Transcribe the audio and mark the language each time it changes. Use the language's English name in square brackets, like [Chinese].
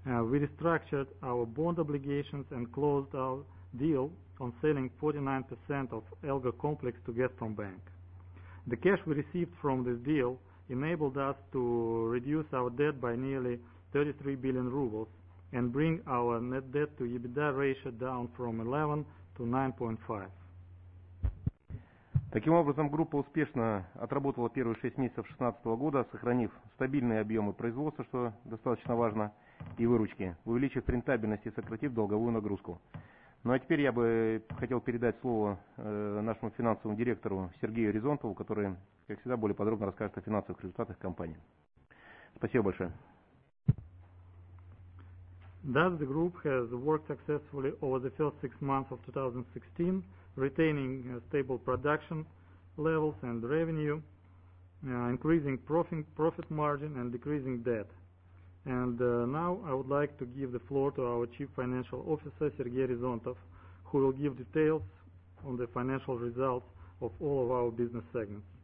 [English] We restructured our bond obligations and closed our deal on selling 49% of Elga complex to Gazprombank. The cash we received from this deal enabled us to reduce our debt by nearly 33 billion rubles and bring our net debt to EBITDA ratio down from 11 to 9.5. [Russian] Таким образом, группа успешно отработала первые 6 месяцев 2016 года, сохранив стабильные объемы производства, что достаточно важно, и выручки, увеличив рентабельность и сократив долговую нагрузку. Ну а теперь я бы хотел передать слово нашему финансовому директору Сергею Резонтову, который, как всегда, более подробно расскажет о финансовых результатах компании. Спасибо большое. [English] Thus, the group has worked successfully over the first 6 months of 2016, retaining stable production levels and revenue, increasing profit margin and decreasing debt. And now I would like to give the floor to our Chief Financial Officer, Sergei Rezontov, who will give details on the financial results of all of our business segments.